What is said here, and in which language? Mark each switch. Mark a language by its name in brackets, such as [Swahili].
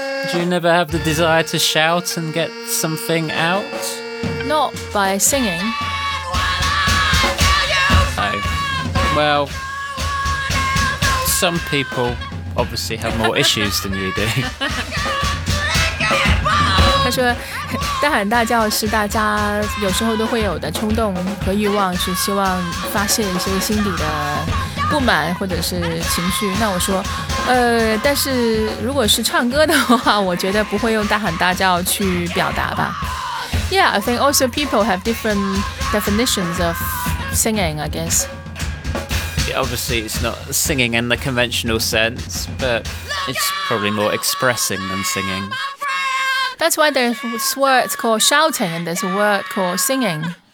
[English] Do you never have the desire to shout and get something out? Not by singing. Okay. Well, some people obviously have more issues than you do. [Chinese] 他说大喊大叫是大家有时候都会有的冲动和欲望，是希望发泄一些心底的不满或者是情绪。那我说但是如果是唱歌的话，我觉得不会用大喊大叫去表达吧。 [English] Yeah, I think also people have different definitions of singing, I guess. Yeah, obviously it's not singing in the conventional sense, but it's probably more expressing than singing That's why there's words called shouting and there's a word called singing.